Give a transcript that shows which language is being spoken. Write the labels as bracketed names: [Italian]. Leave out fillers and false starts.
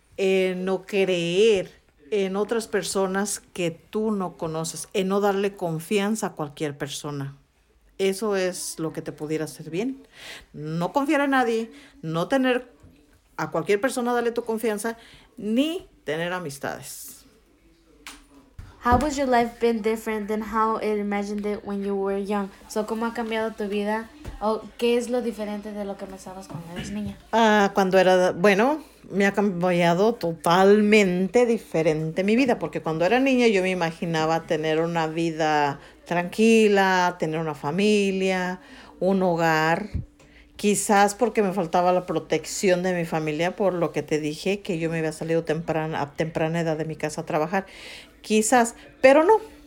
[Spanish] En no creer en otras personas que tú no conoces, en no darle confianza a cualquier persona. Eso es lo que te pudiera hacer bien. No confiar en nadie, no tener a cualquier persona darle tu confianza, ni tener amistades. [English] How was your life been different than how it imagined it when you were young? [Spanish] So, ¿cómo ha cambiado tu vida? ¿O qué es lo diferente de lo que pensabas cuando eras niña? Cuando era, bueno, me ha cambiado totalmente diferente mi vida, porque cuando era niña yo me imaginaba tener una vida tranquila, tener una familia, un hogar, quizás porque me faltaba la protección de mi familia, por lo que te dije, que yo me había salido a temprana edad de mi casa a trabajar, quizás, pero no.